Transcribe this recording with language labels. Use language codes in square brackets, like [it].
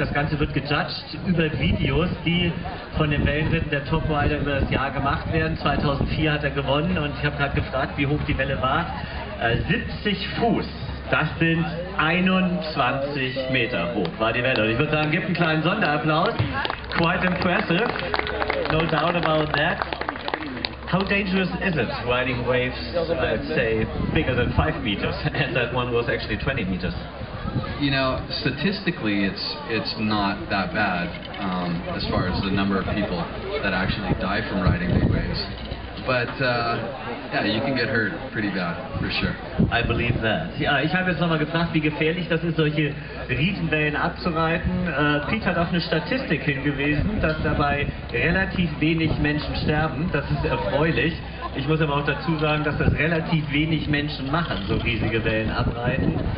[de] Das Ganze wird gejudged über Videos, die von den Wellenritten der Top-Rider über das Jahr gemacht werden. 2004 hat er gewonnen und ich habe gerade gefragt, wie hoch die Welle war. 70 Fuß. Das sind 21 Meter hoch, war die Welle. Und ich würde sagen, gib einen kleinen Sonderapplaus. [en] Quite impressive, no doubt about that. How dangerous is it riding waves, I'd say, bigger than 5 meters? And that one was actually 20 meters. You know, statistically, it's not that bad as far as the number of people that actually die from riding big waves. But yeah, you can get hurt pretty bad, for sure. I believe that. [de] Ja, ich habe jetzt nochmal gefragt, wie gefährlich das ist, solche Riesenwellen abzureiten. Piet hat auf eine Statistik hingewiesen, dass dabei relativ wenig Menschen sterben. Das ist erfreulich. Ich muss aber auch dazu sagen, dass das relativ wenig Menschen machen, so riesige Wellen abreiten.